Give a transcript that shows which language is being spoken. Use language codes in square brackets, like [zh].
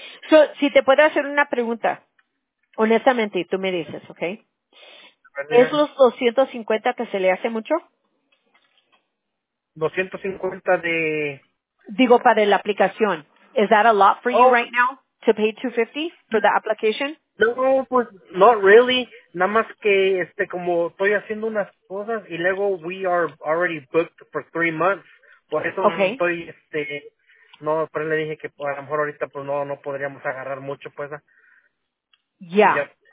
[en] So, [es] si te puedo hacer una pregunta, honestamente, tú me dices, ok. ¿Es los 250 que se le hace mucho? 250 de... Digo, para la aplicación. [en] Is that a lot for you right now? To pay 250 for the application? [es] No, pues, [en] not really. [es] Nada más que, como estoy haciendo unas cosas, y luego [en] we are already booked for 3 months. [es] Por eso estoy, no, pero le dije que a lo mejor ahorita, pues, no podríamos agarrar mucho, pues. Ya